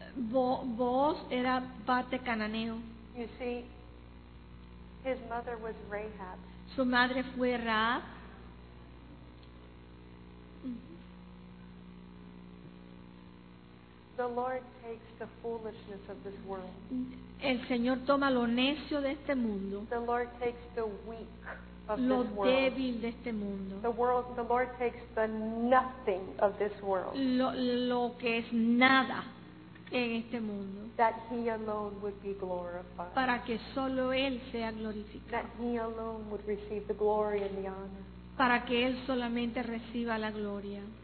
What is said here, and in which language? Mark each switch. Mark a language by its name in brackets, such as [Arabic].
[Spanish] Boaz era parte cananeo. [English] You see, his mother was Rahab. [Spanish] Su madre fue Rahab. [English] The Lord takes the foolishness of this world. [Spanish] El Señor toma lo necio de este mundo. [English] The Lord takes the weak. [Spanish] Lo débil de este mundo. [English] The world, the Lord takes the nothing of this world. [Spanish] Lo que es nada en este mundo. [English] That He alone would be glorified. [Spanish] Para que solo Él sea glorificado. [English] That He alone would receive the glory and the honor. [Spanish] Para que Él solamente reciba la gloria.